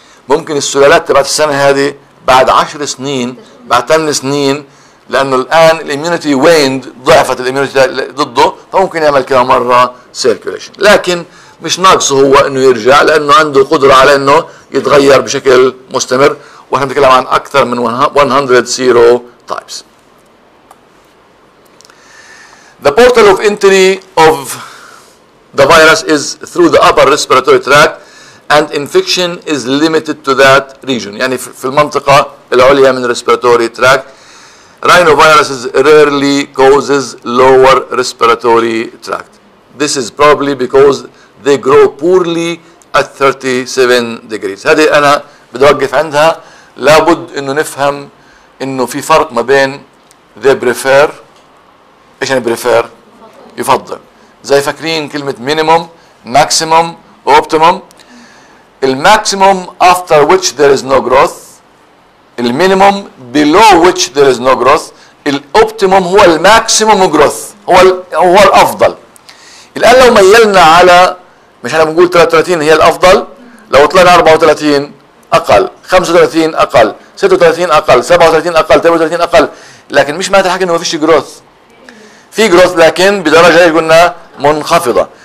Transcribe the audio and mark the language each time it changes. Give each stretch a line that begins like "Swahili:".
Arabic: ممكن السلالات تبعت السنة هذه بعد 10 سنين بعد 8 سنين، لانه الان الاميونيتي ويند ضعفت الاميونيتي ضده، فممكن يعمل كده مرة سيركوليشن، لكن مش ناقصه هو انه يرجع لانه عنده قدرة على انه يتغير بشكل مستمر. ونحن نتكلم عن أكثر من 100 سيرو تايبس.
English: The portal of entry of the virus is through the upper respiratory tract and infection is limited to that region.
Arabic: يعني في المنطقة العليا من respiratory tract.
English: Rhinovirus rarely causes lower respiratory tract. This is probably because they grow poorly at 37 degrees.
Arabic: هذه أنا بتوقف عندها. لابد انه نفهم انه في فرق ما بين they prefer، ايش يعني prefer؟ يفضل. زي فاكرين كلمة minimum maximum optimum، الماكسيموم after which there is no growth، المينيموم below which there is no growth، الoptimum هو الماكسيموم growth، هو الافضل. الان لو ميلنا على مش انا بنقول 33 هي الافضل، لو طلعنا 34 اقل، 35 اقل، 36 اقل، 37 اقل، 38 اقل، لكن مش معناتها حكي انه ما فيش جروث، في جروث لكن بدرجة قلنا منخفضة.